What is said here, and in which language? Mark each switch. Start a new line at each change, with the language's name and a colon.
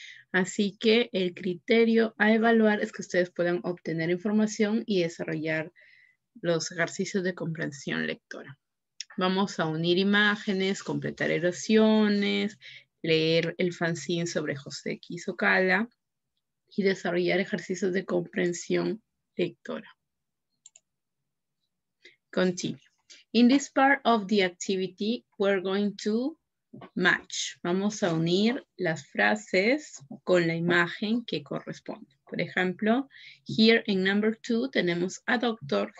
Spanish: Así que el criterio a evaluar es que ustedes puedan obtener información y desarrollar los ejercicios de comprensión lectora. Vamos a unir imágenes, completar oraciones, leer el fanzine sobre José Quizócaro y desarrollar ejercicios de comprensión lectora.
English: Continue. In this part of the activity, we're going to match.
Spanish: Vamos a unir las frases con la imagen que corresponde. Por ejemplo,
English: here in number 2
Spanish: tenemos a doctor.